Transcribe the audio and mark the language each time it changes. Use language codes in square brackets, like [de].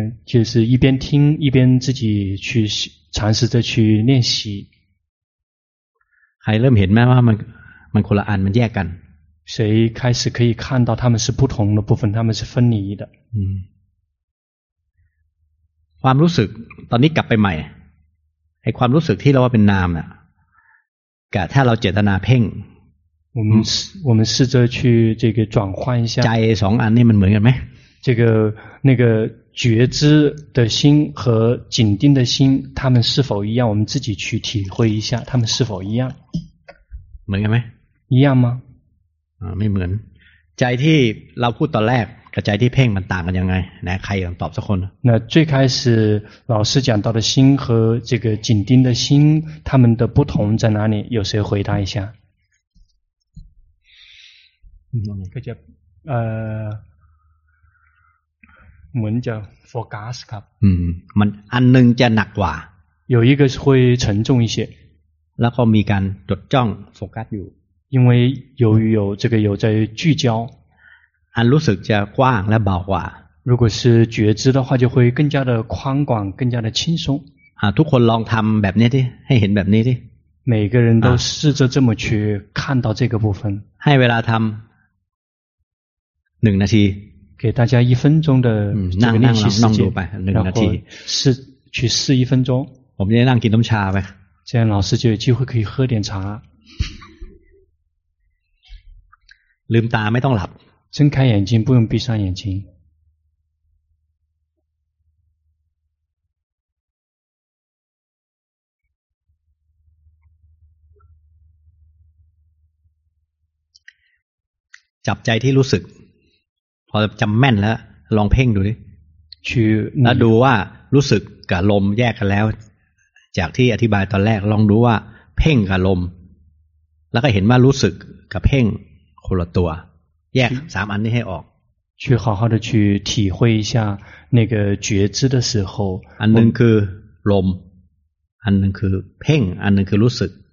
[zh] 就是一边听一边自己去尝试着去练习 [th] ใครเริ่มเห็นไหมว่ามันคนละอันมันแยกกัน [zh] 谁开始可以看到他们是不同的部分他们是分离的 [th] ความรู้สึกตอนนี้กลับไปใหม่ไอ้ความรู้สึกที่เราว่าเป็นนามเนี่ยกับถ้าเราเจตนาเพ่ง [zh] 我们试着去这个转换一下 [th] ใจสองอันนี้มันเหมือนกันไหม [zh] 这个那个觉知的心和紧盯的心他们是否一样我们自己去体会一下他们是否一样 [th] เหมือนกันไหม [zh] 一样吗 [th] ไม่เหมือนใจที่เราพูดตอนแรกกับใจที่เพ่งมันต่างกันยังไงไหนใครอยากตอบสักคน [zh] 那最开始老师讲到的心和这个紧盯的心他们的不同在哪里有谁回答一下 [th] ก็จะเหมือนจะโฟกัสครับ มันอันนึงจะหนักกว่า [zh] 有一个会沉重一些 [th] แล้วก็มีการจดจ้องโฟกัสอยู่ [zh] 因为由于有这个有在聚焦 [th] อันรู้สึกจะกว้างและเบากว่า [zh] 如果是觉知的话就会更加的宽广更加的轻松 [th] ทุกคนลองทำแบบนี้ดิให้เห็นแบบนี้ดิ [zh] 每个人都试着这么去看到这个部分 [th] ให้เวลาทำ1นาที [zh] 给大家一分钟的 [th] นั่ง ๆ นั่งดูไป1นาที [zh] 试去试一分钟 [th] ผมจะนั่งกินน้ำชาไป [zh] 这样老师就有机会可以喝点茶 [th] ลืมตาไม่ต้องหลับ [zh] 睁开眼睛不用闭上眼睛 [th] จับใจที่รู้สึกพอจำแม่นแล้วลองเพ่งดูดิ ชื่อ แล้วดูว่ารู้สึกกับลมแยกกันแล้วจากที่อธิบายตอนแรกลองดูว่าเพ่งกับลมแล้วก็เห็นว่ารู้สึกกับเพ่งคนละตัวแยก3อันนี้ให้ออก [zh] 去好好的去体会一下那个觉知的时候 [th] อันนึงคือลมอันนึงคือเพ่งอันนึงคือรู้สึก